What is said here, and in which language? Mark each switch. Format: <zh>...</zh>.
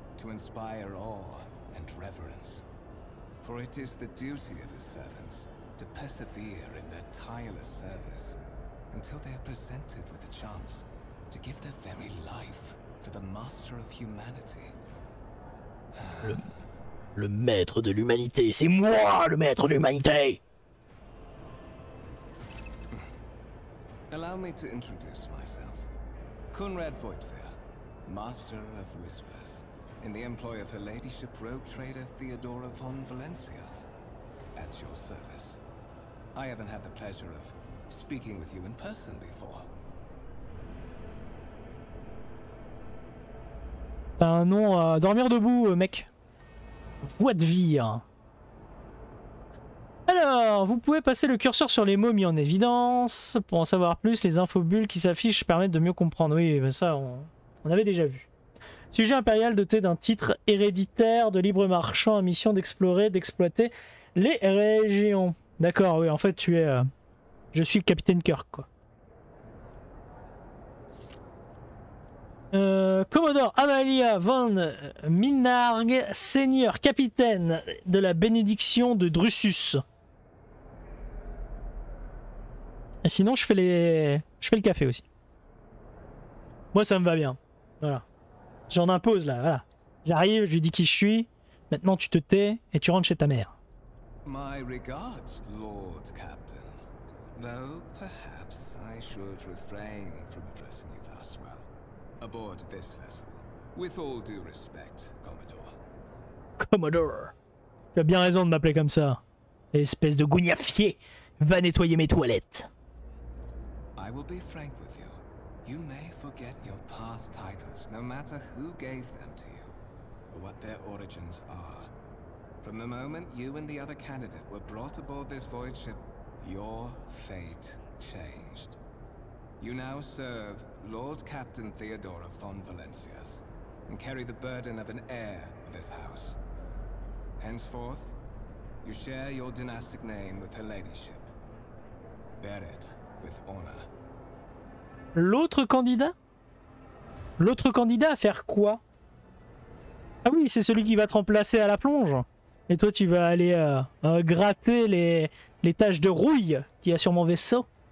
<en>Inspire awe and reverence, for it is the duty of his servants to persevere in their tireless service until they are presented with the chance to give their very life for the master of humanity.</en> <fr>Le maître de l'humanité, c'est moi le maître de l'humanité.</fr> <en>Allow me to introduce myself. Conrad Voigtfeer, master of whispers. In the employ of her ladyship, rogue trader Theodora von Valencius, at your service. I haven't had the pleasure of speaking with you in person before.</en> <fr>T'as un nom à dormir debout, mec. Voigtfeer. Alors, vous pouvez passer le curseur sur les momies en évidence. Pour en savoir plus, les infobulles qui s'affichent permettent de mieux comprendre. Oui, mais ça, on avait déjà vu. Sujet impérial doté d'un titre héréditaire de libre marchand à mission d'explorer, d'exploiter les régions. D'accord, oui, en fait, tu es... je suis Capitaine Kirk, quoi. Commodore Amalia von Minarg, seigneur capitaine de la bénédiction de Drusus. Et sinon, je fais le café aussi. Moi, ça me va bien. Voilà. J'en impose là, voilà. J'arrive, je lui dis qui je suis. Maintenant, tu te tais et tu rentres chez ta mère.</fr> <en>My regards, Lord Captain. Though perhaps I should refrain from addressing you thus well. Aboard this vessel. With all due respect, Commodore. Commodore.</en> <fr>Tu as bien raison de m'appeler comme ça. Espèce de gougnafier. Va nettoyer mes toilettes.</fr> <en>I will be frank with you. You may forget your past titles, no matter who gave them to you, or what their origins are. From the moment you and the other candidate were brought aboard this voyage ship, your fate changed. You now serve Lord Captain Theodora von Valencius, and carry the burden of an heir of this house. Henceforth, you share your dynastic name with her ladyship. Bear it with honor.</en> <fr>L'autre candidat à faire quoi? Ah oui, c'est celui qui va te remplacer à la plonge. Et toi, tu vas aller gratter les taches de rouille qu'il y a sur mon vaisseau.</fr>